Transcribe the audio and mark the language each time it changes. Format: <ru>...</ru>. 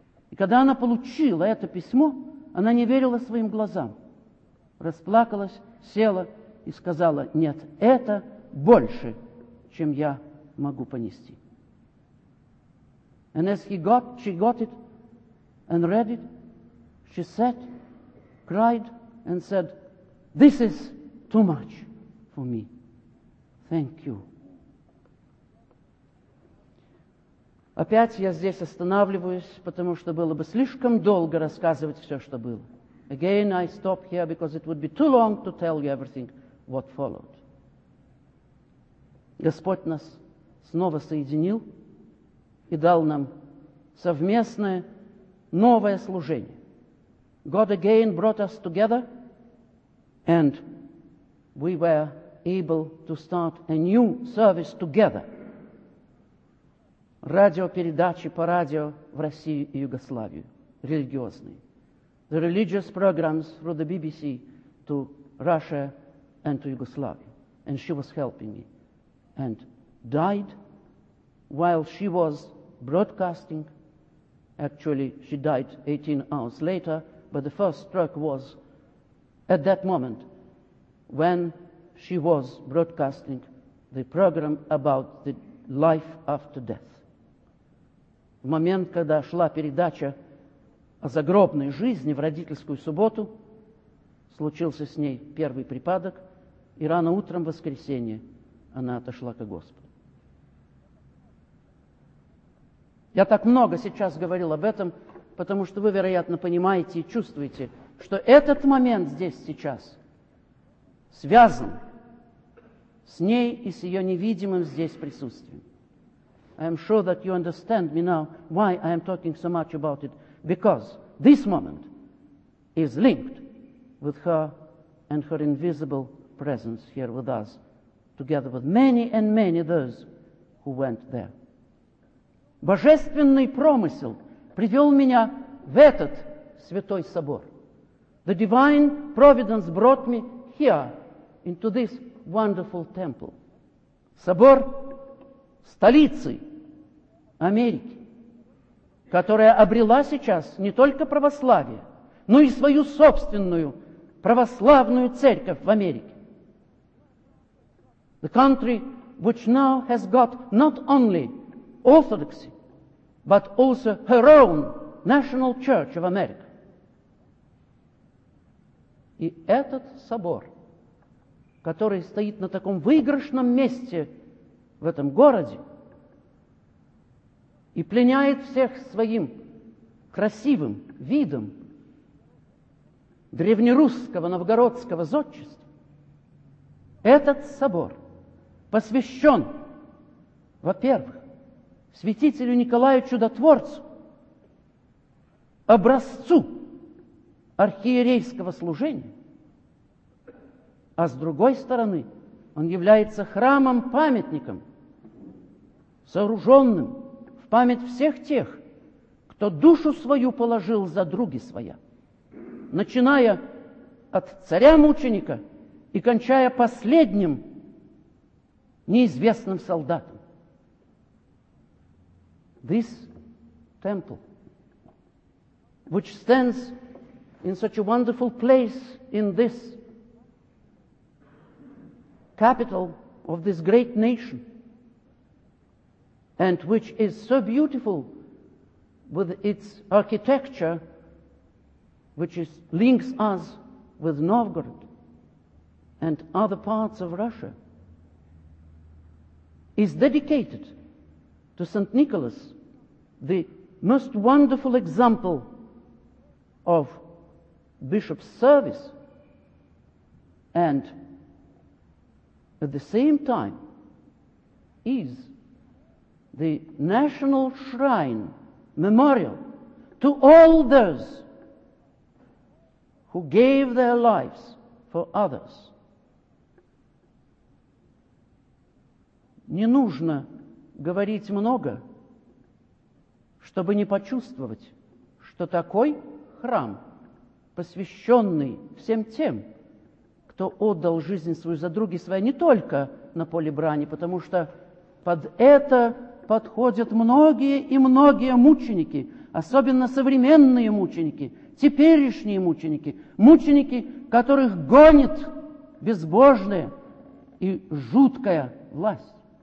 <ru>И когда она получила это письмо, она не верила своим глазам. Расплакалась, села и сказала: «Нет, это больше, чем я могу понести».</ru> <en>And as she got it and read it, she sat, cried and said, «This is too much for me. Thank you».</en> <ru>Опять я здесь останавливаюсь, потому что было бы слишком долго рассказывать все, что было.</ru> <en>Again, I stop here because it would be too long to tell you everything what followed.</en> <ru>Господь нас снова соединил и дал нам совместное новое служение.</ru> <en>God again brought us together and we were able to start a new service together.</en> <ru>радиопередачи по радио в Россию и Югославию, религиозные.</ru> <en>The religious programs through the BBC to Russia and to Yugoslavia. And she was helping me. And died while she was broadcasting. Actually, she died 18 hours later, but the first stroke was at that moment when she was broadcasting the program about the life after death.</en> <ru>В момент, когда шла передача о загробной жизни в родительскую субботу, случился с ней первый припадок, и рано утром в воскресенье она отошла ко Господу. Я так много сейчас говорил об этом, потому что вы, вероятно, понимаете и чувствуете, что этот момент здесь сейчас связан с ней и с ее невидимым здесь присутствием.</ru> <en>I am sure that you understand me now why I am talking so much about it, because this moment is linked with her and her invisible presence here with us, together with many and many those who went there.</en> <ru>Божественный промысел привел меня в этот святой собор.</ru> <en>The divine providence brought me here, into this wonderful temple.</en> <ru>Собор столицы Америки, которая обрела сейчас не только православие, но и свою собственную православную церковь в Америке.</ru> <en>The country which now has got not only orthodoxy, but also her own national church of America.</en> <ru>И этот собор, который стоит на таком выигрышном месте в этом городе и пленяет всех своим красивым видом древнерусского новгородского зодчества, этот собор посвящен, во-первых, святителю Николаю Чудотворцу, образцу архиерейского служения, а с другой стороны, он является храмом-памятником, сооруженным в память всех тех, кто душу свою положил за други своя, начиная от царя-мученика и кончая последним неизвестным солдатом.</ru> <en>This temple, which stands in such a wonderful place in this capital of this great nation, and which is so beautiful with its architecture, which is links us with Novgorod and other parts of Russia, is dedicated to Saint Nicholas, the most wonderful example of bishop's service, and at the same time is the national shrine memorial to all those who gave their lives for others.</en> <ru>Не нужно говорить много, чтобы не почувствовать, что такой храм, посвященный всем тем, кто отдал жизнь свою за други свои, не только на поле брани, потому что под это подходят многие и многие мученики, особенно современные мученики, теперешние мученики, мученики, которых гонит безбожная и жуткая власть.</ru>